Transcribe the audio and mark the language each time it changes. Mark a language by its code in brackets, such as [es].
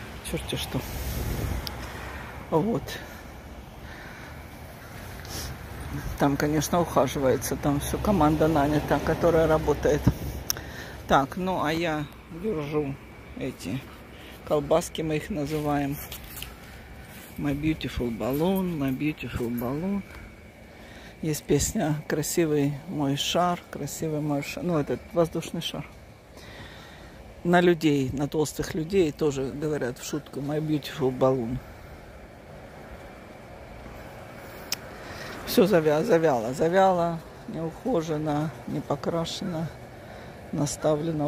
[ru] Черт-те что. Вот. Там, конечно, ухаживается. Там все команда нанята, которая работает. Так, ну, а я держу эти... колбаски мы их называем. [en] My beautiful balloon, my beautiful balloon. [ru] Есть песня «Красивый мой шар», «Красивый мой шар». Ну, этот воздушный шар. На людей, на толстых людей тоже говорят в шутку [en] «My beautiful balloon». [ru] Все завяло. Неухожено, не покрашено. Наставлено.